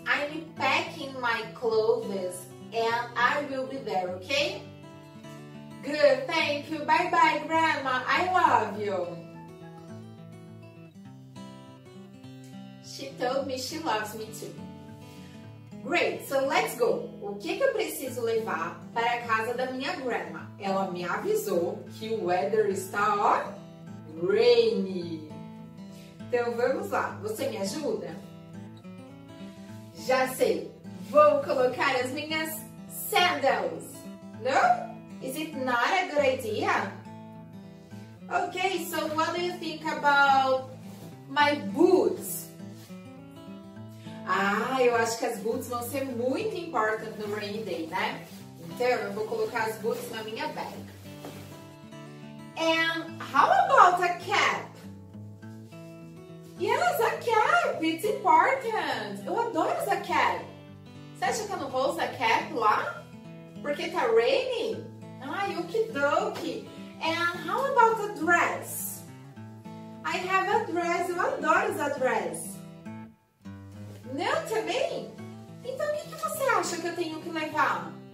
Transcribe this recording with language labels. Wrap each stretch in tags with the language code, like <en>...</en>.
<en>I'm packing my clothes and I will be there, okay? Good, thank you. Bye-bye, Grandma. I love you. She told me she loves me too. Great, so let's go.</en> <pt>O que eu preciso levar para a casa da minha grandma? Ela me avisou que o weather está, ó, rainy. Então, vamos lá. Você me ajuda? Já sei. Vou colocar as minhas sandals. No?</pt> <en>Is it not a good idea? Okay, so what do you think about my boots?</en> <pt>Ah, eu acho que as boots vão ser muito important no rainy day, né? Então, eu vou colocar as boots na minha bag.</pt> <en>And how about a cap? Yes, a cap, it's important.</en> <pt>Eu adoro essa cap. Você acha que eu não vou usar cap lá? Porque tá rainy? Ai, okidoki.</pt> <en>And how about a dress? I have a dress,</en> <pt>eu adoro essa dress. Não, também? Então, o que você acha que eu tenho que levar?</pt>